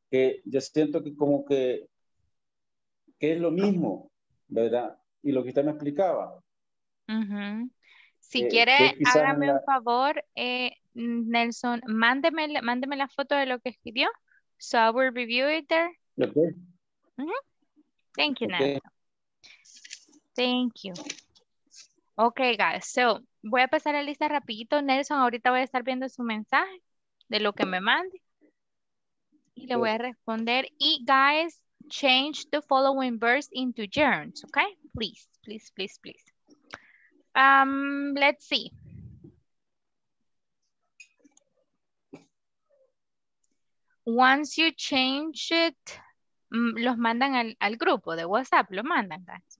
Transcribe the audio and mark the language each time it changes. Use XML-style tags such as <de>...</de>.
<es>Que yo siento que como que es lo mismo, ¿verdad? Y lo que usted me explicaba. Mm-hmm. Si quiere, hágame un favor, Nelson, mándeme la foto de lo que escribió.</es> <en>So I will review it there. Okay. Mm-hmm. Thank you, okay. Nelson. Thank you.</en> <es>Ok, guys. So, voy a pasar la lista rapidito. Nelson, ahorita voy a estar viendo su mensaje de lo que me mande. Y le voy a responder.</es> <en>Y, guys, change the following verbs into gerunds, ok? Please, please, please, please. Let's see. Once you change it,</en> <es>los mandan al grupo de WhatsApp, los mandan, guys.</es>